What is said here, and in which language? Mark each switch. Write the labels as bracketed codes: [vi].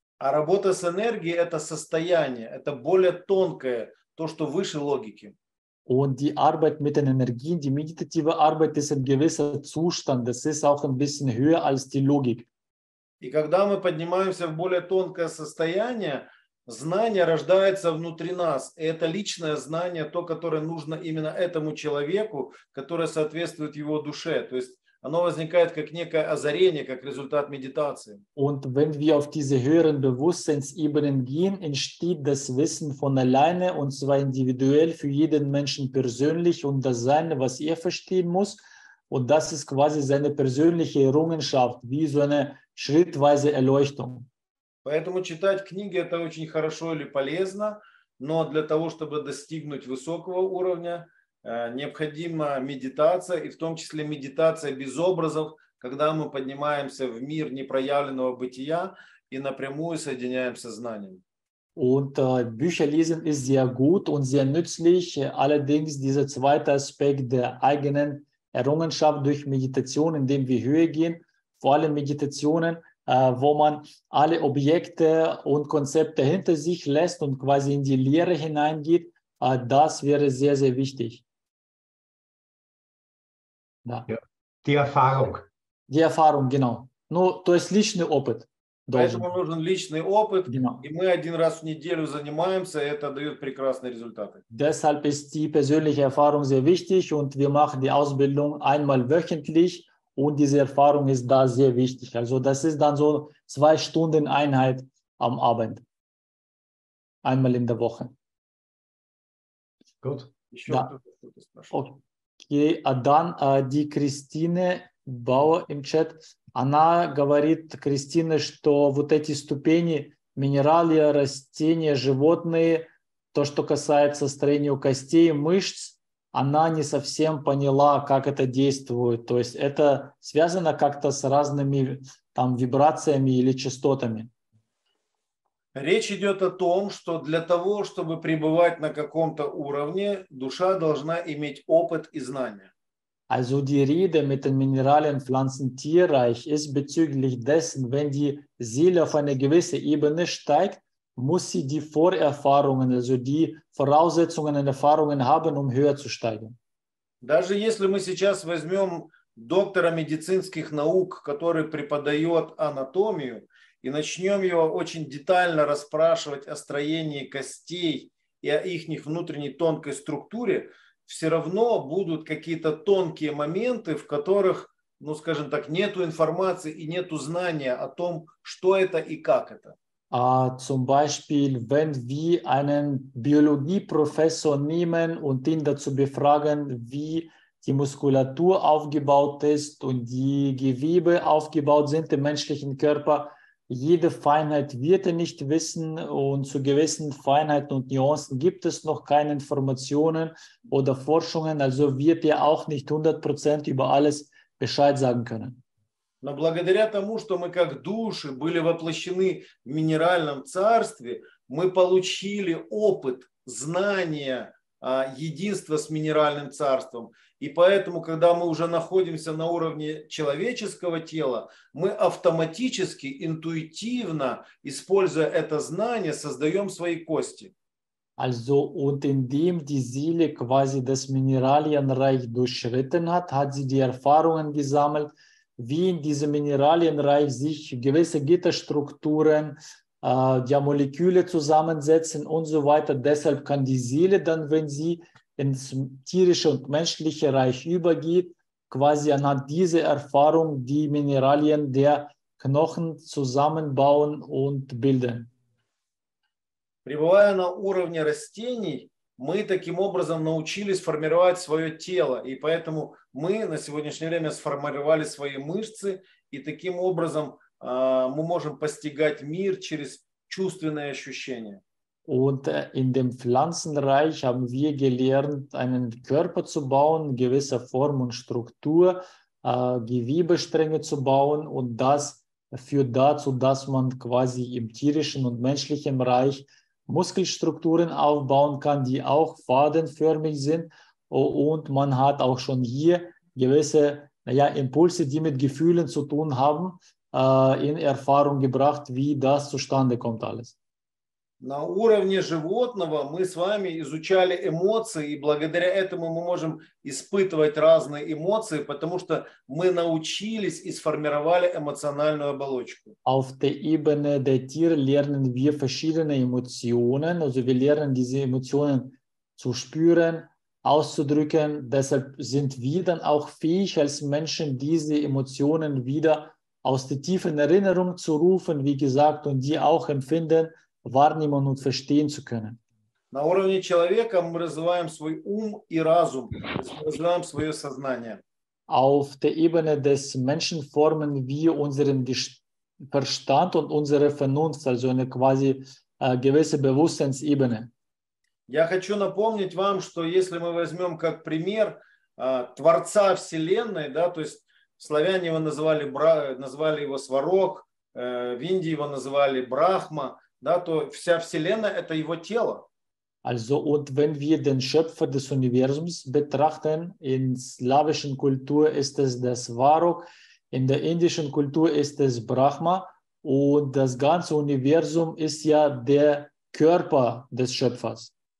[ru] А работа с энергией – это состояние, это более тонкое, то, что выше логики. [de] Und die Arbeit mit den Energien, die meditative Arbeit, ist ein gewisser Zustand. Das ist auch ein bisschen höher als die Logik. [ru] И когда мы поднимаемся в более тонкое состояние, знание рождается внутри нас, и это личное знание, то, которое нужно именно этому человеку, которое соответствует его душе. То есть оно возникает как некое озарение, как результат медитации. [de] Und wenn wir auf diese höheren Bewusstseinsebenen gehen, entsteht das Wissen von alleine, und zwar individuell für jeden Menschen persönlich, und das Seine, was er verstehen muss, und das ist quasi seine persönliche Errungenschaft, wie so eine schrittweise Erleuchtung. [ru] Поэтому читать книги – это очень хорошо или полезно, но для того, чтобы достигнуть высокого уровня, необходима медитация, и в том числе медитация без образов, когда мы поднимаемся в мир непроявленного бытия и напрямую соединяемся с знанием. [de] Und Bücher lesen ist sehr gut und sehr nützlich. Allerdings dieser zweite Aspekt der eigenen Errungenschaft durch Meditation, indem wir höher gehen, vor allem Meditationen, wo man alle Objekte und Konzepte hinter sich lässt und quasi in die Leere hineingeht, das wäre sehr, sehr wichtig. Ja. Ja, die Erfahrung. Die Erfahrung, genau. Nur durch [ru] личный опыт. Поэтому нужен личный опыт, [de] genau. [ru] И мы один раз в неделю занимаемся, и это дает прекрасные результаты. [de] Deshalb ist die persönliche Erfahrung sehr wichtig und wir machen die Ausbildung einmal wöchentlich. Und diese Erfahrung ist da sehr wichtig. Also das ist dann so 2 Stunden Einheit am Abend. Einmal in der Woche. Gut. Ja. Okay, dann die Christine Bauer im Chat. [ru] Она говорит, Кристина, что вот эти ступени, минералы, растения, животные, то, что касается строения костей, мышц, она не совсем поняла, как это действует. То есть это связано как-то с разными там вибрациями или частотами. Речь идет о том, что для того, чтобы пребывать на каком-то уровне, душа должна иметь опыт и знания. [de] Also die Rede mit den Mineralien, Pflanzen, Tierreich ist bezüglich dessen, wenn die Seele auf eine gewisse Ebene steigt, muss sie die Vorerfahrungen, also die Voraussetzungen und Erfahrungen haben, um höher zu steigen. [ru] Даже если мы сейчас возьмем доктора медицинских наук, который преподает анатомию, и начнем его очень детально расспрашивать о строении костей и о их внутренней тонкой структуре, все равно будут какие-то тонкие моменты, в которых, ну, скажем так, нету информации и нету знания о том, что это и как это. [de] Zum Beispiel, wenn wir einen Biologieprofessor nehmen und ihn dazu befragen, wie die Muskulatur aufgebaut ist und die Gewebe aufgebaut sind im menschlichen Körper, jede Feinheit wird er nicht wissen und zu gewissen Feinheiten und Nuancen gibt es noch keine Informationen oder Forschungen, also wird er auch nicht 100% über alles Bescheid sagen können. [ru] Но благодаря тому, что мы как души были воплощены в минеральном царстве, мы получили опыт, знания, единства с минеральным царством. И поэтому, когда мы уже находимся на уровне человеческого тела, мы автоматически, интуитивно, используя это знание, создаем свои кости. [de] Also, und indem die Seele quasi das Mineralienreich durchschritten hat, hat sie die Erfahrungen gesammelt, wie in diesem Mineralienreich sich gewisse Gitterstrukturen, die Moleküle zusammensetzen und so weiter. Deshalb kann die Seele dann, wenn sie ins tierische und menschliche Reich übergeht, quasi anhand dieser Erfahrung die Mineralien der Knochen zusammenbauen und bilden. [ru] Пребывая на уровне растений, мы таким образом научились формировать свое тело, и поэтому мы на сегодняшнее время сформировали свои мышцы, и таким образом мы можем постигать мир через чувственные ощущения. [de] Und in dem Pflanzenreich haben wir gelernt, einen Körper zu bauen, gewisse Form und Struktur, Gewebestränge zu bauen, und das führt dazu, dass man quasi im tierischen und menschlichen Reich Muskelstrukturen aufbauen kann, die auch fadenförmig sind, und man hat auch schon hier gewisse, naja, Impulse, die mit Gefühlen zu tun haben, in Erfahrung gebracht, wie das zustande kommt alles. [ru] На уровне животного мы с вами изучали эмоции, и благодаря этому мы можем испытывать разные эмоции, потому что мы научились и сформировали эмоциональную оболочку. [de] Auf der Ebene der Tiere lernen wir verschiedene Emotionen, also wir lernen diese Emotionen zu spüren, auszudrücken. Deshalb sind wir dann auch fähig als Menschen, diese Emotionen wieder aus der tiefen Erinnerung zu rufen, wie gesagt, und die auch empfinden, wahrnehmen und verstehen zu können. [ru] На уровне человека мы развиваем свой ум и разум, развиваем свое сознание. [de] Auf der Ebene des Menschen formen wir unseren Verstand und unsere Vernunft, also eine quasi gewisse Bewusstseinsebene. [ru] Я хочу напомнить вам, что если мы возьмем как пример Творца Вселенной, да, то есть славяне его называли его Сварог, в Индии его называли Брахма. Да, то вся Вселенная – это его тело. [de] Also, und wenn wir den Schöpfer des Universums betrachten, in slawischen Kultur ist es der Svarok, in der indischen Kultur ist es Brahma, und das ganze Universum ist ja der Körper des Schöpfers.